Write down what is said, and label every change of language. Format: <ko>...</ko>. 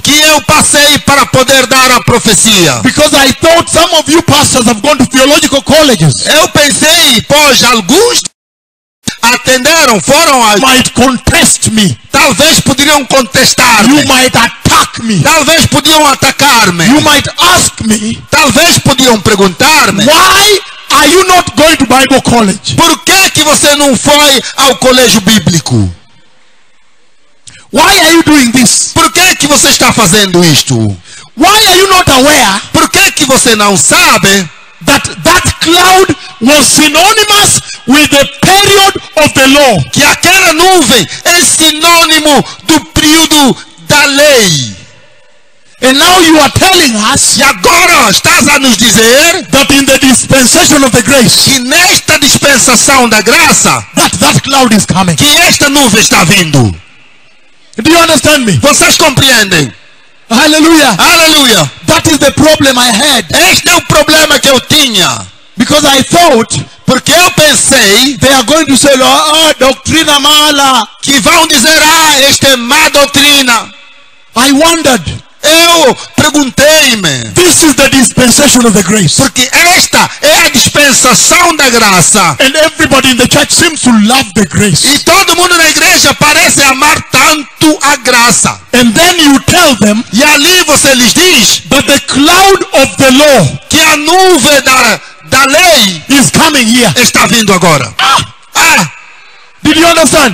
<pt>Que eu passei para poder dar a profecia.</pt> <en>Because I thought some of you pastors have gone to theological colleges.</en> <pt>Eu pensei, pois alguns atenderam, foram a...</pt> <en>Might contest me.</en> <pt>Talvez poderiam contestar.</pt> <en>You might attack me.</en> <pt>Talvez podiam atacar-me.</pt> <en>You might ask me.</en> <pt>Talvez podiam perguntar-me.</pt> <en>Why are you not going to Bible college?</en> <pt>Por que que você não foi ao colégio bíblico?</pt> <en>Why are you doing this?</en> <pt>Por que que você está fazendo isto?</pt> <en>Why are you not aware?</en> <pt>Por que que você não sabe?</pt> <en>That cloud was synonymous with the period of the law.</en> <pt>Que aquela nuvem é sinônimo do período da lei.</pt> <en>And now you are telling us.</en> <pt>E agora estás a nos dizer.</pt> <en>That in the dispensation of the grace.</en> <pt>Que nesta dispensação da graça.</pt> <en>That cloud is coming.</en> <pt>Que esta nuvem está vindo.</pt> <en>Do you understand me?</en> <pt>Vocês compreendem? Hallelujah. Hallelujah.</pt> <en>That is the problem I had.</en> <pt>Este é o problema que eu tinha.</pt> <en>Because I thought,</en> <pt>porque eu pensei,</pt> <en>they are going to say,</en> <es>doctrina mala.</es> <pt>Que vão dizer, esta é má doutrina.</pt> <en>I wondered.</en> <pt>Eu perguntei-me.</pt> <en>This is the dispensation of the grace.</en> <pt>Porque esta é a dispensação da graça.</pt> <en>And everybody in the church seems to love the grace.</en> <pt>E todo mundo na igreja parece amar tanto a graça.</pt> <en>And then you tell them.</en> <pt>E ali você lhes diz.</pt> <en>That the cloud of the law.</en> <pt>Que a nuvem da lei.</pt> <en>Is coming here.</en> <pt>Está vindo agora.</pt> <en>Ah! Did you understand?</en>